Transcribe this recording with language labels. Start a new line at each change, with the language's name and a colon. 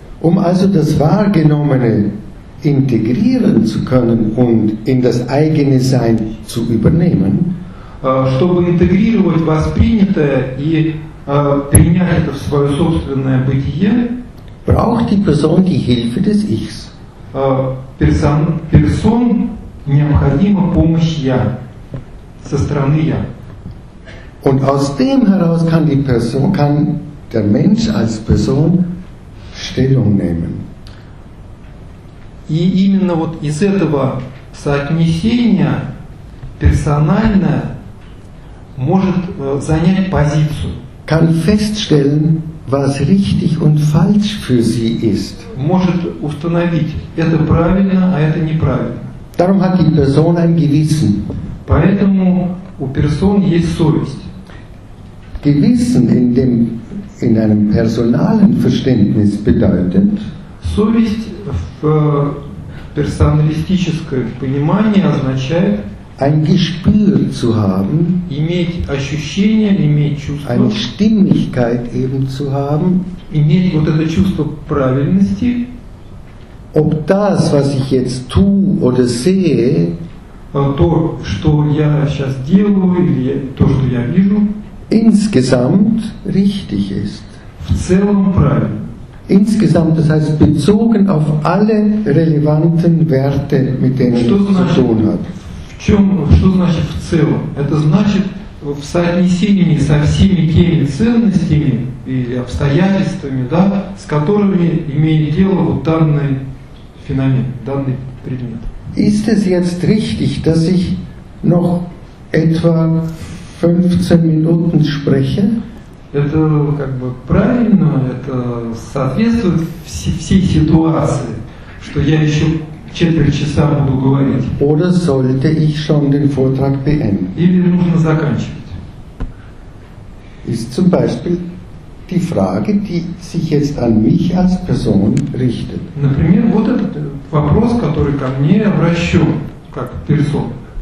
German: Um also das Wahrgenommene integrieren zu können und in das eigene Sein zu übernehmen,
Russian: чтобы интегрировать воспринятое и принять это в свое собственное бытие,
German: braucht die Person die Hilfe des Ichs.
Russian: Персон необходима помощь Я, со стороны Я.
German: Und aus dem heraus kann die Person, kann der Mensch als Person Stellung nehmen.
Russian: И именно вот из этого соотнесения персональное может занять позицию.
German: Kann feststellen, was richtig und falsch für sie ist.
Russian: Может установить, это правильно, а это неправильно.
German: Darum hat die Person ein Gewissen.
Russian: Поэтому у персон есть совесть.
German: Gewissen in einem personalen Verständnis bedeutet.
Russian: Совесть в персоналистическом понимании означает.
German: Ein Gespür zu haben,
Russian: иметь ощущение, иметь чувство,
German: eine Stimmigkeit eben zu haben,
Russian: иметь вот это чувство правильности,
German: ob das, was ich jetzt tue oder sehe,
Russian: то, что я сейчас делаю, или то, что я вижу,
German: insgesamt richtig ist.
Russian: В целом правильно.
German: Insgesamt, das heißt, bezogen auf alle relevanten Werte, mit denen ich zu tun habe.
Russian: Что значит в целом? Это значит в соотнесении со всеми теми ценностями или обстоятельствами, да, с которыми имеет дело вот данный феномен, данный предмет.
German: Ist es jetzt richtig, dass ich noch etwa 15 Minuten spreche?
Russian: Это как бы правильно, это соответствует всей ситуации, что я еще четверть часа буду говорить.
German: Oder sollte ich schon den Vortrag beenden?
Russian: Или нужно заканчивать?
German: Ist zum Beispiel die Frage, die sich jetzt an mich als Person richtet.
Russian: Например, вот этот вопрос, который ко мне обращен, как персон.